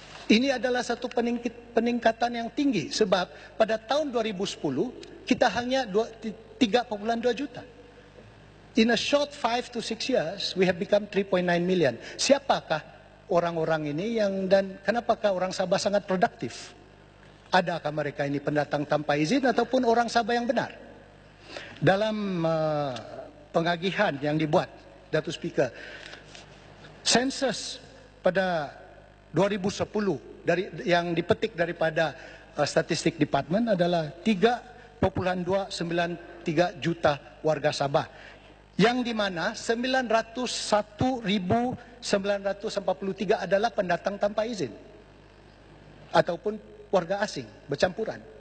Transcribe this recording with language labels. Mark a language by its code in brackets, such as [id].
[ms] Ini adalah satu peningkatan yang tinggi sebab pada tahun 2010 kita hanya 3.2 juta. [en] In a short 5 to 6 years we have become 3.9 million. [ms] Siapakah orang-orang ini yang dan kenapakah orang Sabah sangat produktif? Adakah mereka ini pendatang tanpa izin ataupun orang Sabah yang benar? Dalam pengagihan yang dibuat Datuk Speaker, sensus pada 2010 dari yang dipetik daripada Statistik Department adalah 3.293 juta warga Sabah, yang di mana 901,943 adalah pendatang tanpa izin ataupun warga asing bercampuran.